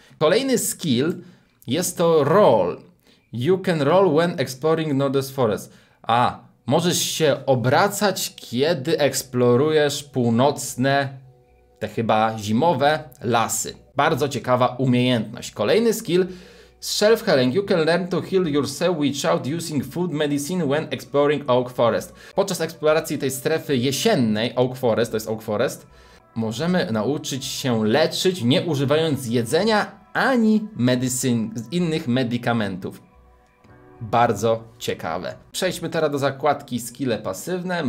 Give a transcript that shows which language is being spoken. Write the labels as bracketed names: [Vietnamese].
[Polish] Kolejny skill jest to roll. [English] You can roll when exploring Northern Forest. [Polish] A, możesz się obracać, kiedy eksplorujesz północne... te chyba zimowe lasy. Bardzo ciekawa umiejętność. Kolejny skill. Shelf healing. [English] You can learn to heal yourself without using food medicine when exploring Oak Forest. [Polish] Podczas eksploracji tej strefy jesiennej, Oak Forest, to jest Oak Forest, możemy nauczyć się leczyć, nie używając jedzenia ani innych medykamentów. Bardzo ciekawe. Przejdźmy teraz do zakładki skille pasywne.